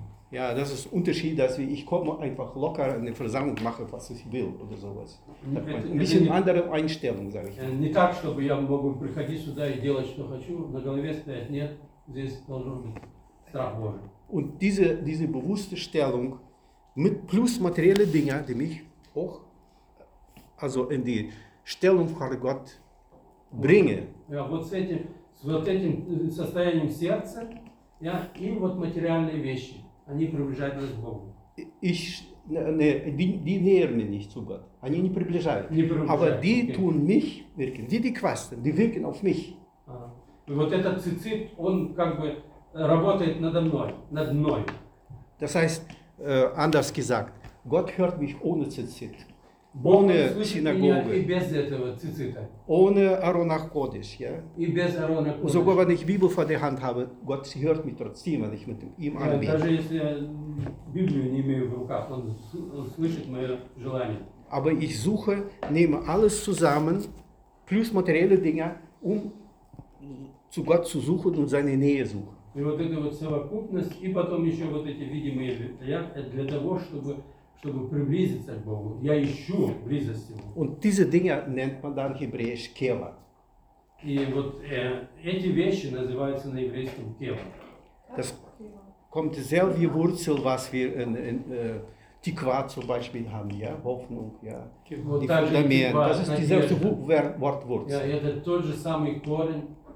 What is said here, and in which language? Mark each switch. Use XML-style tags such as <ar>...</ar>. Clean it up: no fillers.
<de>Ja, das ist ein Unterschied, dass ich komme einfach locker in eine Versammlung mache, was ich will oder sowas. Ein bisschen andere Einstellung, sage ich.</de> <ru>Nicht так, чтобы я могу приходить сюда и делать, что хочу, на голове стоять. Нет, здесь должен быть страх Божий.</ru> <de>Und diese bewusste Stellung mit plus materielle Dinge, die mich auch also in die Stellung vor Gott bringe.</de> <ru>Ja, вот с этим состоянием сердца, ja, и вот материальные вещи, они приближают нас к Богу.</ru> <de>Ich, die nähern mich nicht zu Gott.</de> <ru>Они не приближают.</ru> <de>Aber die okay. Tun mich wirken. Die Quasten, die wirken auf mich.</de> <ru>Ага. Вот этот цицит, он как бы работает надо мной.</ru> <de>Das heißt, anders gesagt, Gott hört mich ohne Zizit, ohne Synagoge, ohne Aronach Kodesh. Ja? Sogar wenn ich Bibel vor der Hand habe, Gott hört mich trotzdem, wenn ich mit ihm anbete. Aber ich suche, nehme alles zusammen, plus materielle Dinge, um zu Gott zu suchen und seine Nähe suchen.</de> <ru>И вот эта вот совокупность, и потом еще вот эти видимые я для того, чтобы приблизиться к Богу. Я ищу близость к Богу.</ru> <de>Und diese Dinge nennt man dann hebräisch Kela.</de> <ru>И вот эти вещи называются на еврейском Kela.</ru> <de>Das kommt dieselbe Wurzel, was wir in Tikva zum Beispiel haben, ja, Hoffnung, ja,</de> <ru>вот</ru> <de>die Fundament. Das ist dieselbe Wortwurzel.</de> <ru>Ja, это тот же самый корень.</ru>